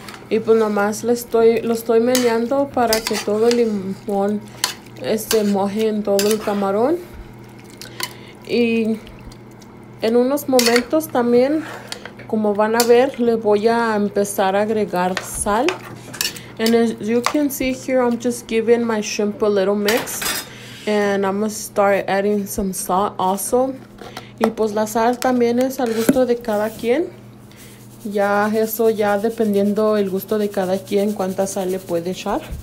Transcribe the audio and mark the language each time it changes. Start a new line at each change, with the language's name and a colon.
Spanish: Y pues nomás lo estoy meneando para que todo el limón moje en todo el camarón. Y en unos momentos también, como van a ver, le voy a empezar a agregar sal.
English: And as you can see here, I'm just giving my shrimp a little mix. And I'm gonna start adding some salt also.
Spanish: Y pues la sal también es al gusto de cada quien. Ya eso ya dependiendo el gusto de cada quien, cuánta sal le puede echar.